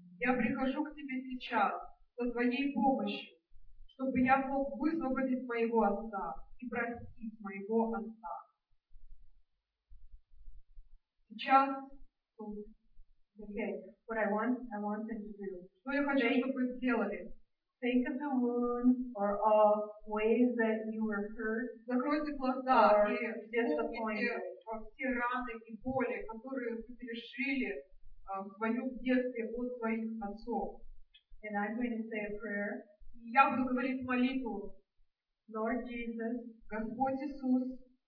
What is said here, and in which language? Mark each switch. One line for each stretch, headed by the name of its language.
Russian: Я прихожу к Тебе сейчас со Твоей помощью, чтобы я мог высвободить моего отца и простить моего отца. Сейчас, что я хочу, чтобы вы сделали?
English: Think of the wound or of ways that you were hurt.
Russian: Закройте глаза и вспомните все раны и боли, которые вы пережили в своем детстве от своих отцов.
English: And I'm going to say a prayer.
Russian: Я буду говорить молитву.
English: Lord Jesus,
Russian: Господь Иисус,